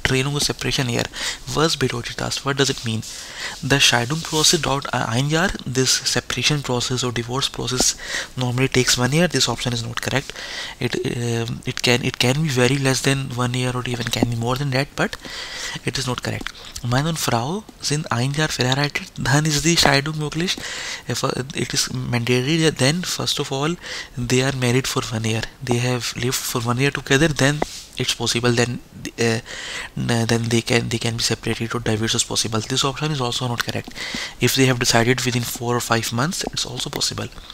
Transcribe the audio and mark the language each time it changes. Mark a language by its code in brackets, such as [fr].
[en] Trennung is separation year. [de] Was bedeutet das? [en] What does it mean? [de] The Scheidung process dauert ein Jahr. [en] This separation process or divorce process normally takes 1 year. This option is not correct. It can be very less than 1 year or even can be more than that, but it is not correct. [de] Mann und Frau sind ein Jahr verheiratet, dann ist die Scheidung möglich. [en] If it is mandatory, then first of all they are married for 1 year. They have lived for 1 year together, then it's possible, then they can be separated or divorce is possible. This option is also not correct. If they have decided within 4 or 5 months, it's also possible.